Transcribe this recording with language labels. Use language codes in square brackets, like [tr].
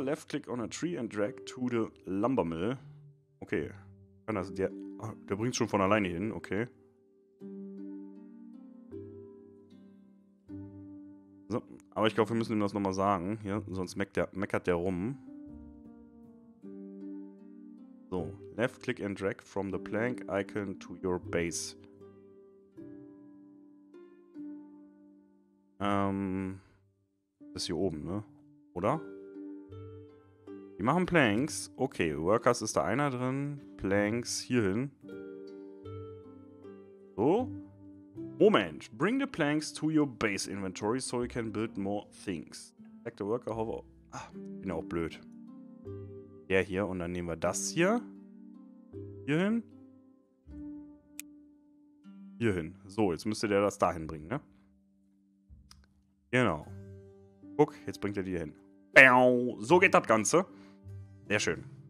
[en] Left click on a tree and drag to the lumber mill. Okay. [de] Also der bringt es schon von alleine hin. Okay. So. Aber ich glaube, wir müssen ihm das nochmal sagen. Hier. Sonst meckert der rum. [en] So, left click and drag from the plank icon to your base. [de] Das ist hier oben, ne? Oder? Wir machen Planks. Okay, Workers ist da einer drin. Planks hierhin. So. Moment. [en] Bring the planks to your base inventory so you can build more things. Select the worker hover. [de] Ach, bin ja auch blöd. Der hier und dann nehmen wir das hier. Hierhin. Hierhin. So, jetzt müsste der das dahin bringen, ne? Genau. Guck, jetzt bringt er die hin. Bäm! So geht das Ganze. Sehr schön.